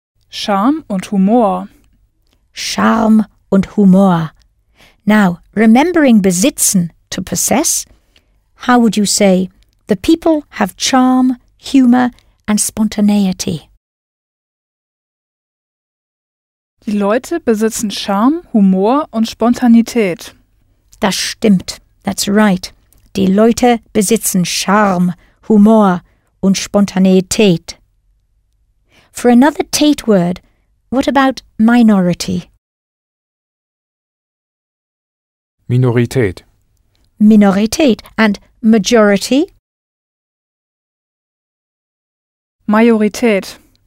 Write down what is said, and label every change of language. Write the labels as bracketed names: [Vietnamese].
[German] Charme und Humor. Charme und Humor. [English] Now, remembering besitzen, to possess, how would you say, the people have charm, humor and spontaneity? [German] Die Leute besitzen Charme, Humor und Spontanität. Das stimmt. [English] That's right. [German] Die Leute besitzen Charme, Humor und Spontaneität. [English] For another Tate word, what about minority? [German] Minorität. [English] Minorität. And majority? [German] Majorität.